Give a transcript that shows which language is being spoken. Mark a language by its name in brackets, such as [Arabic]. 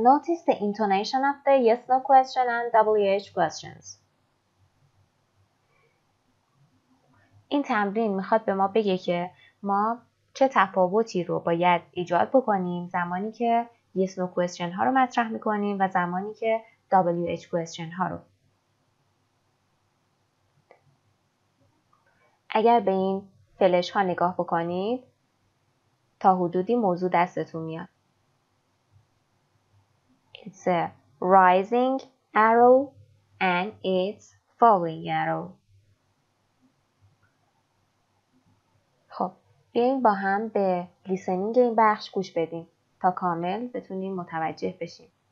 [English] Notice the intonation of the yes-no question and WH questions. [Persian] این تمرین میخواد به ما بگه که ما چه تفاوتی رو باید ایجاد بکنیم زمانی که yes-no question ها رو مطرح میکنیم و زمانی که WH question ها رو. اگر به این فلش ها نگاه بکنید تا حدودی موضوع دستتون میاد. [English] It's a rising arrow and it's falling arrow. [Persian] خب، بیاییم با هم به لیسنینگ این بخش گوش بدیم تا کامل بتونیم متوجه بشیم.